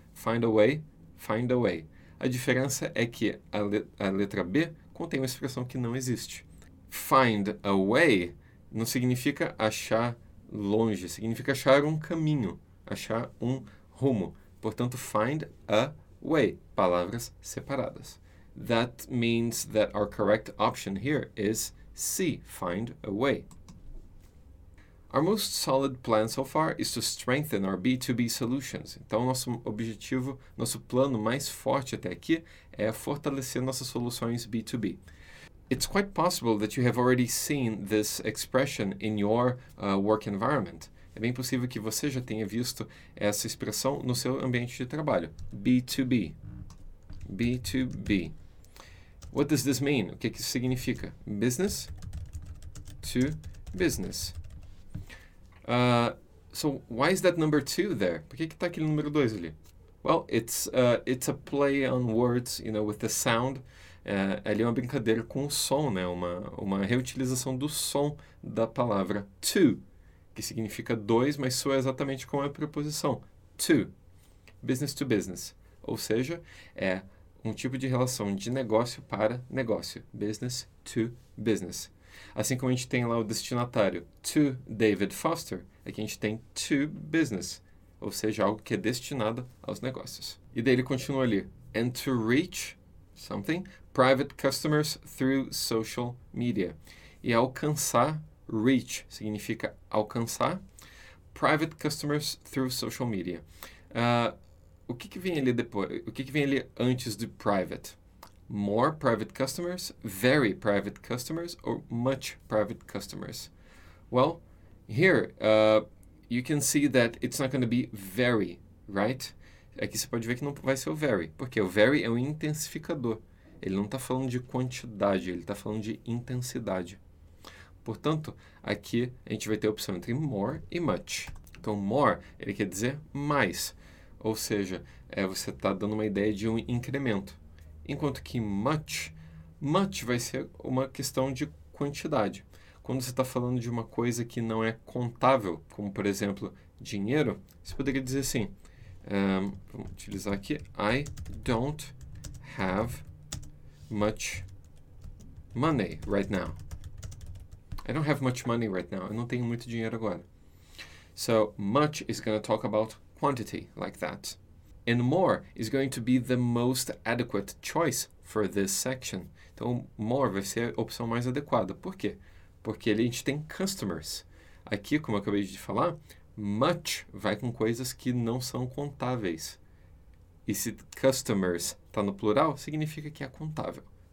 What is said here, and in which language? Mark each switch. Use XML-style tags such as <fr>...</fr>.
<en>Find a way, find a way.</en> <pt>A diferença é que a letra B contém uma expressão que não existe. Find a way não significa achar longe, significa achar um caminho, achar um rumo. Portanto, find a way, palavras separadas.</pt> <en>That means that our correct option here is C, find a way. Our most solid plan so far is to strengthen our B2B solutions.</en> <pt>Então, nosso objetivo, nosso plano mais forte até aqui é fortalecer nossas soluções B2B.</pt> <en>It's quite possible that you have already seen this expression in your work environment.</en> <pt>É bem possível que você já tenha visto essa expressão no seu ambiente de trabalho.</pt> <en>B2B. B2B. What does this mean?</en> <pt>O que isso significa? Business to business.</pt> <en>So, why is that number two there?</en> <pt>Por que está aquele número dois ali?</pt> <en>Well, it's a play on words, you know, with the sound.</en> <pt>Ali é uma brincadeira com o som, né? Uma reutilização do som da palavra to, que significa dois, mas soa exatamente com a preposição. To. Business to business. Ou seja, é um tipo de relação de negócio para negócio. Business to business. Assim como a gente tem lá o destinatário to David Foster, aqui a gente tem to business, ou seja, algo que é destinado aos negócios. E daí ele continua ali,</pt> <en>and to reach something, private customers through social media.</en> <pt>E alcançar, reach, significa alcançar,</pt> <en>private customers through social media.</en> <pt>O que vem ali depois? O que vem ali antes de private?</pt> <en>More private customers, very private customers, or much private customers? Well, here, you can see that it's not going to be very, right?</en> <pt>Aqui você pode ver que não vai ser o very, porque o very é um intensificador. Ele não está falando de quantidade, ele está falando de intensidade. Portanto, aqui a gente vai ter a opção entre more e much. Então, more, ele quer dizer mais. Ou seja, você está dando uma ideia de um incremento. Enquanto que much vai ser uma questão de quantidade. Quando você está falando de uma coisa que não é contável, como por exemplo, dinheiro, você poderia dizer assim, vamos utilizar aqui,</pt> <en>I don't have much money right now. I don't have much money right now.</en> <pt>Eu não tenho muito dinheiro agora.</pt> <en>So, much is going to talk about quantity like that. And more is going to be the most adequate choice for this section.</en> <pt>Então, more vai ser a opção mais adequada. Por quê? Porque ali a gente tem customers. Aqui, como eu acabei de falar, much vai com coisas que não são contáveis. E se customers está no plural, significa que é contável.</pt>